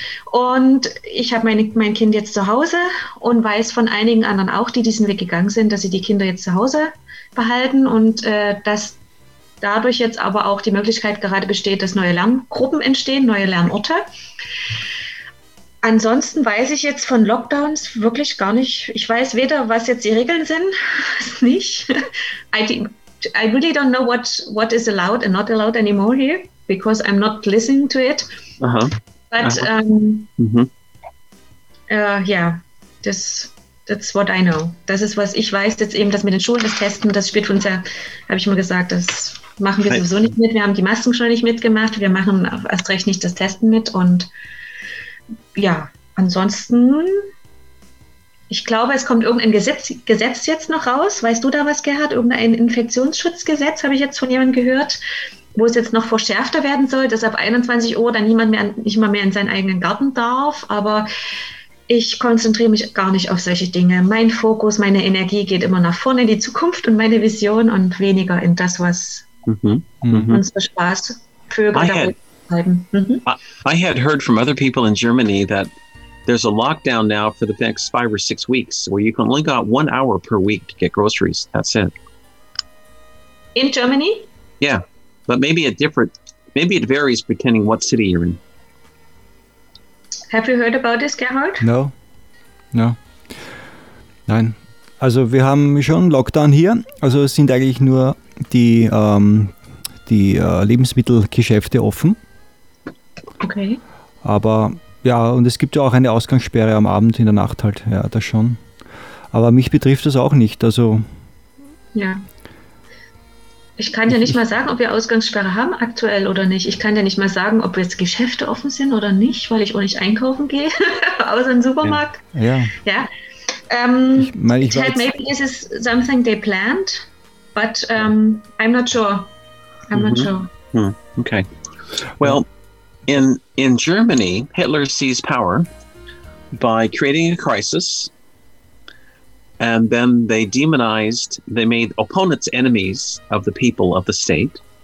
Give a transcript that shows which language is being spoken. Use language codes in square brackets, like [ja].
[de] Und ich habe mein Kind jetzt zu Hause und weiß von einigen anderen auch, die diesen Weg gegangen sind, dass sie die Kinder jetzt zu Hause behalten und dass dadurch jetzt aber auch die Möglichkeit gerade besteht, dass neue Lerngruppen entstehen, neue Lernorte. Ansonsten weiß ich jetzt von Lockdowns wirklich gar nicht. Ich weiß weder, was jetzt die Regeln sind, nicht. [en] I really don't know what is allowed and not allowed anymore here because I'm not listening to it. Uh-huh. But uh-huh. That's what I know. [de] Das ist, was ich weiß, jetzt eben das mit den Schulen, das Testen, das spielt für uns ja, habe ich immer gesagt, das machen wir sowieso nicht mit. Wir haben die Masken schon nicht mitgemacht. Wir machen erst recht nicht das Testen mit. Und ja, ansonsten Ich glaube, es kommt irgendein Gesetz jetzt noch raus. Weißt du da was, Gerhard? Irgendein Infektionsschutzgesetz, habe ich jetzt von jemandem gehört, wo es jetzt noch verschärfter werden soll, dass ab 21 Uhr dann niemand mehr, nicht mal mehr in seinen eigenen Garten darf. Aber ich konzentriere mich gar nicht auf solche Dinge. Mein Fokus, meine Energie geht immer nach vorne in die Zukunft und meine Vision und weniger in das, was unsere Spaßvögel treiben. [en] I had heard from other people in Germany that there's a lockdown now for the next 5 or 6 weeks where you can only got 1 hour per week to get groceries. That's it. In Germany? Yeah. But maybe it varies depending what city you're in. Have you heard about this, Gerhard? No. No. [de] Nein. Also wir haben schon Lockdown hier. Also es sind eigentlich nur die, Lebensmittelgeschäfte offen. Okay. Aber ja, und es gibt ja auch eine Ausgangssperre am Abend, in der Nacht halt. Ja, das schon. Aber mich betrifft das auch nicht. Also. Ja. Ich kann dir nicht mal sagen, ob wir Ausgangssperre haben aktuell oder nicht. Ich kann dir nicht mal sagen, ob jetzt Geschäfte offen sind oder nicht, weil ich auch nicht einkaufen gehe, außer im Supermarkt. Ja. Ja. [en] Maybe this is something they planned, but I'm not sure. Okay. Well, in Germany, Hitler seized power by creating a crisis, and then they made opponents enemies of the people of the state.